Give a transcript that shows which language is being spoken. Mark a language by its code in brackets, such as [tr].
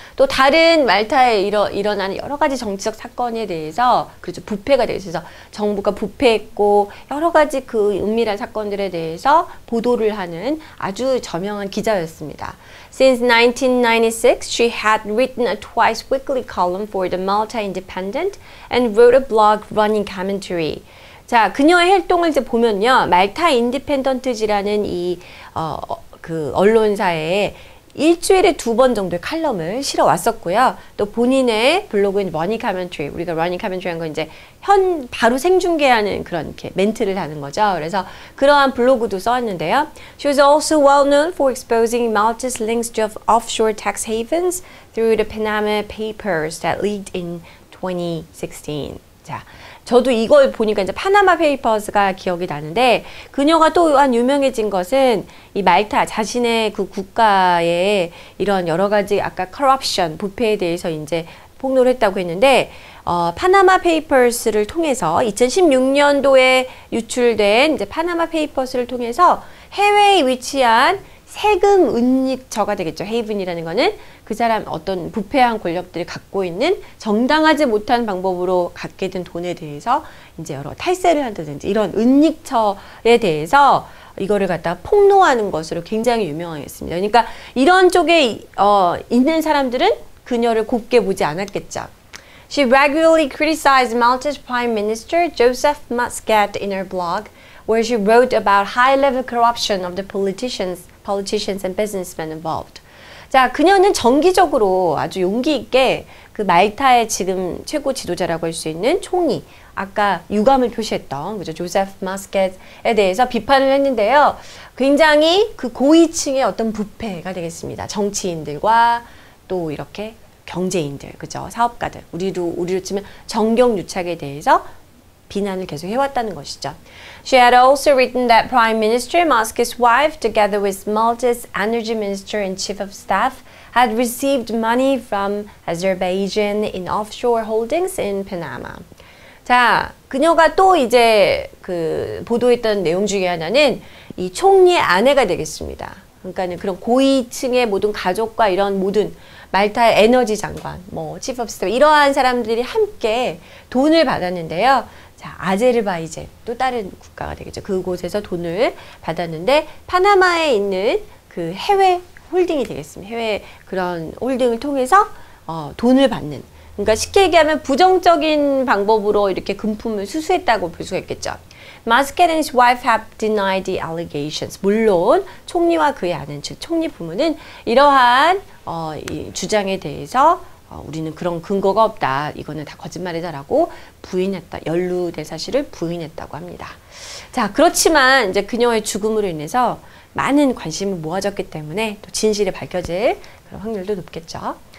[ko] 또 다른 말타에 일어나는 여러 가지 정치적 사건에 대해서 그렇죠. 부패가 되어서 정부가 부패했고 여러 가지 그 은밀한 사건들에 대해서 보도를 하는 아주 저명한 기자였습니다. [en] Since 1996, she had written a twice weekly column for the Malta Independent and wrote a blog running commentary. [ko] 자, 그녀의 활동을 이제 보면요. 말타 인디펜던트지라는 이 그 언론사에 일주일에 두 번 정도의 칼럼을 실어 왔었고요. 또 본인의 블로그인 러닝 커멘터리, 우리가 러닝 커멘터리 한 건 이제 현 바로 생중계하는 그런 이렇게 멘트를 하는 거죠. 그래서 그러한 블로그도 써왔는데요. [en] She was also well known for exposing Malta's links to offshore tax havens through the Panama Papers that leaked in 2016. [ko] 자, 저도 이걸 보니까 이제 파나마 페이퍼스가 기억이 나는데 그녀가 또한 유명해진 것은 이 말타 자신의 그 국가의 이런 여러 가지 아까 커럽션 부패에 대해서 이제 폭로를 했다고 했는데 파나마 페이퍼스를 통해서 2016년도에 유출된 이제 파나마 페이퍼스를 통해서 해외에 위치한 세금 은닉처가 되겠죠. 헤이븐이라는 거는 그 사람 어떤 부패한 권력들이 갖고 있는 정당하지 못한 방법으로 갖게 된 돈에 대해서 이제 여러 탈세를 한다든지 이런 은닉처에 대해서 이거를 갖다 폭로하는 것으로 굉장히 유명하겠습니다. 그러니까 이런 쪽에 있는 사람들은 그녀를 곱게 보지 않았겠죠. [en] She regularly criticized Maltese Prime Minister Joseph Muscat in her blog where she wrote about high-level corruption of the politicians and businessmen involved. [ko] 자, 그녀는 정기적으로 아주 용기 있게 그 말타의 지금 최고 지도자라고 할 수 있는 총리, 아까 유감을 표시했던 그죠 조세프 마스켓에 대해서 비판을 했는데요. 굉장히 그 고위층의 어떤 부패가 되겠습니다. 정치인들과 또 이렇게 경제인들, 그죠 사업가들, 우리로 치면 정경 유착에 대해서. 비난을 계속 해왔다는 것이죠. [en] She had also written that Prime Minister Muscat's wife, together with Malta's Energy Minister and Chief of Staff, had received money from Azerbaijan in offshore holdings in Panama. [ko] 자, 그녀가 또 이제 그 보도했던 내용 중에 하나는 이 총리의 아내가 되겠습니다. 그러니까는 그런 고위층의 모든 가족과 이런 모든 말타의 에너지 장관, 뭐 Chief of Staff 이러한 사람들이 함께 돈을 받았는데요. 자, 아제르바이젠 또 다른 국가가 되겠죠. 그곳에서 돈을 받았는데 파나마에 있는 그 해외 홀딩이 되겠습니다. 해외 그런 홀딩을 통해서 돈을 받는. 그러니까 쉽게 얘기하면 부정적인 방법으로 이렇게 금품을 수수했다고 볼 수가 있겠죠. [en] Muscat and his wife have denied the allegations. [ko] 물론 총리와 그의 아는 즉 총리 부모는 이러한 이 주장에 대해서 우리는 그런 근거가 없다. 이거는 다 거짓말이다라고 부인했다. 연루된 사실을 부인했다고 합니다. 자, 그렇지만 이제 그녀의 죽음으로 인해서 많은 관심이 모아졌기 때문에 또 진실이 밝혀질 그런 확률도 높겠죠.